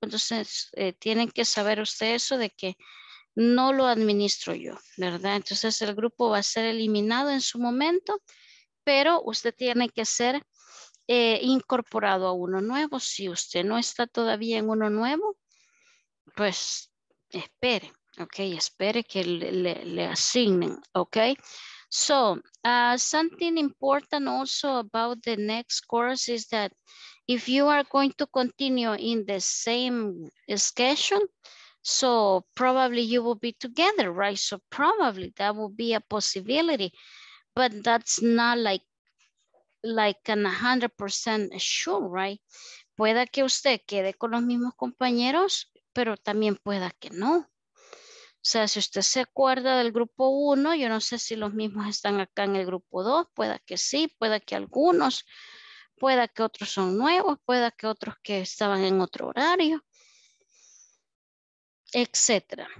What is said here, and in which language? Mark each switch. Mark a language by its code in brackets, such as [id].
[es] Entonces, tienen que saber ustedes eso de que no lo administro yo, ¿verdad? Entonces, el grupo va a ser eliminado en su momento, pero usted tiene que ser incorporado a uno nuevo. Si usted no está todavía en uno nuevo, pues espere. Ok, espere que le asignen. [en] Ok, so something important also about the next course is that if you are going to continue in the same schedule, so probably you will be together, right? So probably that will be a possibility, but that's not like an 100% sure, right? [es] Pueda que usted quede con los mismos compañeros, pero también pueda que no. O sea, si usted se acuerda del grupo 1, yo no sé si los mismos están acá en el grupo 2, pueda que sí, pueda que algunos, pueda que otros son nuevos, pueda que otros que estaban en otro horario, etcétera.